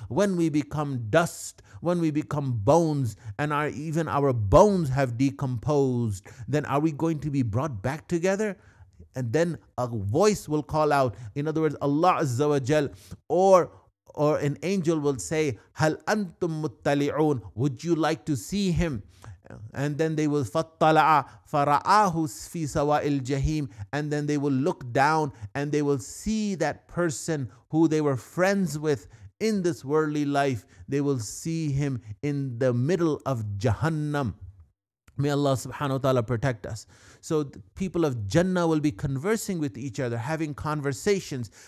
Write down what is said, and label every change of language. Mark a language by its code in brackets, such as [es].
[en] When we become dust, when we become bones, and even our bones have decomposed, then are we going to be brought back together? And then a voice will call out, in other words, Allah Azza wa Jal, or an angel will say, [ar] هَلْ أَنْتُمْ مُتَّلِعُونَ. [en] Would you like to see him? And then they will, [ar] فَاتَّلَعَ فَرَآهُ فِي سَوَاءِ الْجَحِيمِ. [en] And then they will look down and they will see that person who they were friends with in this worldly life. They will see him in the middle of Jahannam. May Allah subhanahu wa ta'ala protect us. So the people of Jannah will be conversing with each other, having conversations.